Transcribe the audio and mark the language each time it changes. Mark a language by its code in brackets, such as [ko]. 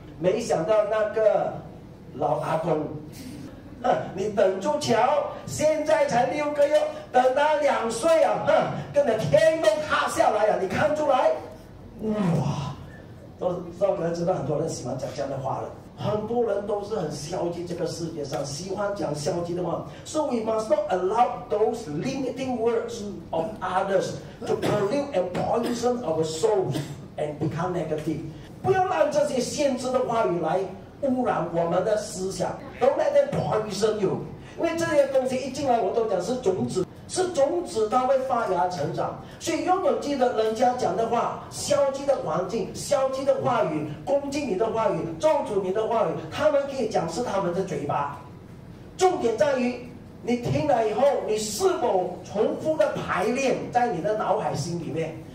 [zh] 没想到那个老阿公，你等住瞧，现在才六个月，等他两岁啊，根本天都塌下来啊，你看出来？哇，都大概知道很多人喜欢讲这样的话了。很多人都是很消极，这个世界上喜欢讲消极的话。 [en] So we must not allow those limiting words of others to pollute and poison our souls and become negative. [zh] 不要让这些限制的话语来污染我们的思想。 [en] Don't let them poison you. [zh] 因为这些东西一进来，我都讲是种子，是种子，它会发芽成长。所以永远记得人家讲的话，消极的环境，消极的话语，攻击你的话语，咒诅你的话语，他们可以讲是他们的嘴巴，重点在于你听了以后，你是否重复的排练在你的脑海心里面。